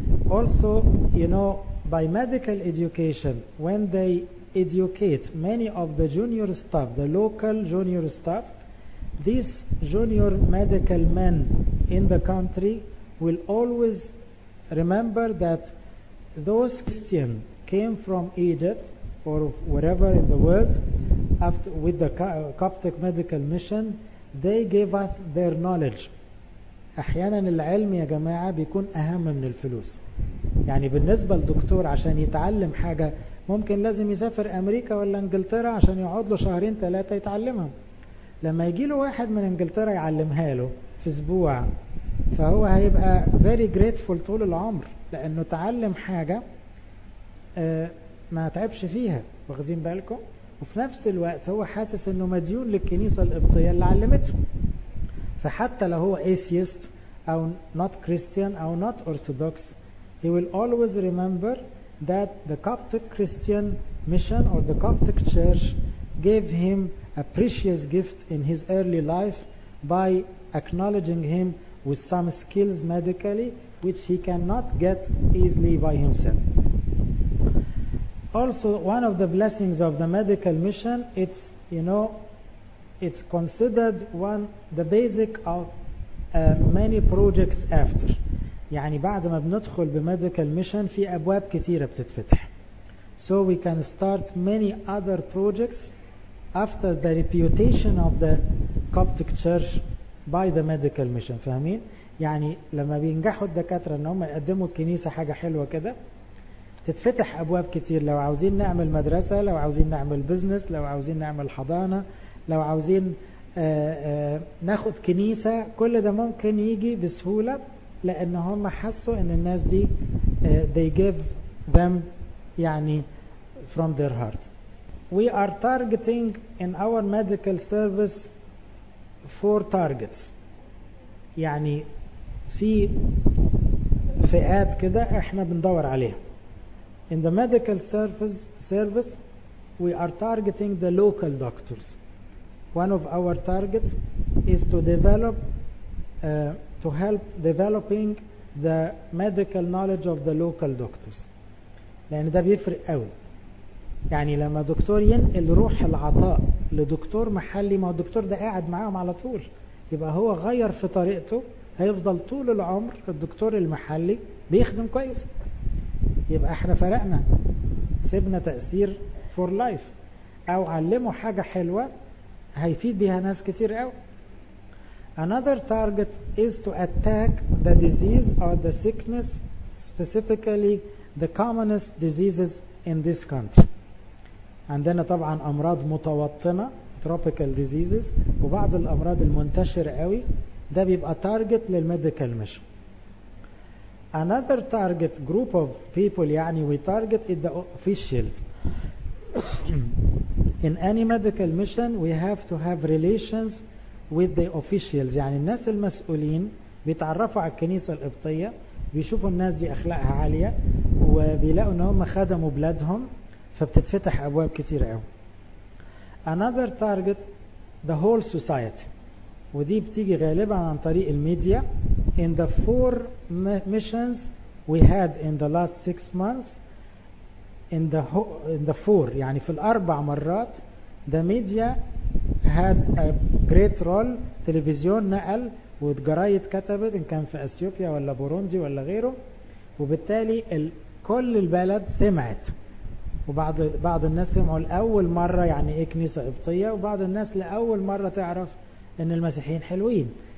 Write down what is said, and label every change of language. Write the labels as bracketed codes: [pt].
[en] Also, you know, by medical education, when they educate many of the junior staff, the local junior staff, these junior medical men in the country will always remember that those Christians came from Egypt or wherever in the world after with the Coptic medical mission, they gave us their knowledge. [ar] احيانا العلم يا جماعه بيكون اهم من الفلوس. يعني بالنسبه للدكتور عشان يتعلم حاجه ممكن لازم يسافر امريكا ولا انجلترا عشان يقعد له شهرين ثلاثه يتعلمها. لما يجي له واحد من انجلترا يعلمها له في اسبوع, فهو هيبقى [en] very grateful [ar] طول العمر لأنه تعلم حاجة ما تعبش فيها. واخذين بالكم؟ وفي نفس الوقت هو حاسس أنه مديون للكنيسة القبطية اللي علمته. فحتى لو هو [en] atheist أو not Christian أو not orthodox, he will always remember that the Coptic Christian mission or the Coptic church gave him a precious gift in his early life by acknowledging him with some skills medically which he cannot get easily by himself. Also, one of the blessings of the medical mission, it's, you know, it's considered one the basic of many projects after. [ar] يعني بعد ما بندخل بمedical mission في أبواب كثيرة بتتفتح. [en] So we can start many other projects after the reputation of the Coptic Church by the medical mission. [ar] فاهمين؟ يعني لما بينجحوا الدكاترة ان هم يقدموا الكنيسة حاجة حلوة كده تتفتح ابواب كتير. لو عاوزين نعمل مدرسة, لو عاوزين نعمل بزنس, لو عاوزين نعمل حضانة, لو عاوزين ناخد كنيسة, كل ده ممكن يجي بسهولة لان هم حسوا ان الناس دي [en] they give them [ar] يعني [en] from their heart. We are targeting in our medical service four targets. [ar] يعني في فئات كده احنا بندور عليها. [en] In the medical service we are targeting the local doctors. One of our targets is to develop to help developing the medical knowledge of the local doctors. [ar] لان ده بيفرق قوي. يعني لما دكتور ينقل روح العطاء لدكتور محلي, ما هو الدكتور ده قاعد معاهم على طول, يبقى هو غير في طريقته, هيفضل طول العمر الدكتور المحلي بيخدم كويس, يبقى احنا فرقنا, سيبنا تأثير [en] for life. [ar] او علمه حاجة حلوة هيفيد بها ناس كتير قوي. [en] Another target is to attack the disease or the sickness, specifically the commonest diseases in this country. [ar] عندنا طبعا امراض متوطنة [en] tropical diseases, [ar] وبعض الامراض المنتشرة قوي, ده بيبقى تارجت للميديكال ميشن. [en] Another target group of people, [ar] يعني [en] we target is the officials. In any medical mission we have to have relations with the officials, [ar] يعني الناس المسؤولين بيتعرفوا على الكنيسة القبطية, بيشوفوا الناس دي أخلاقها عالية وبيلاقوا ان هم خدموا بلادهم, فبتتفتح أبواب كتير قوي. [en] Another target, the whole society, [ar] ودي بتيجي غالبا عن طريق الميديا. [en] In the four missions we had in the last six months, in the four, [ar] يعني في الأربع مرات, [en] the media had a great role. [ar] تلفزيون نقل والجرايد كتبت إن كان في أثيوبيا ولا بوروندي ولا غيره, وبالتالي كل البلد سمعت, وبعض الناس سمعوا لأول مرة يعني إيه كنيسة قبطية, وبعض الناس لأول مرة تعرف إن المسيحيين حلوين.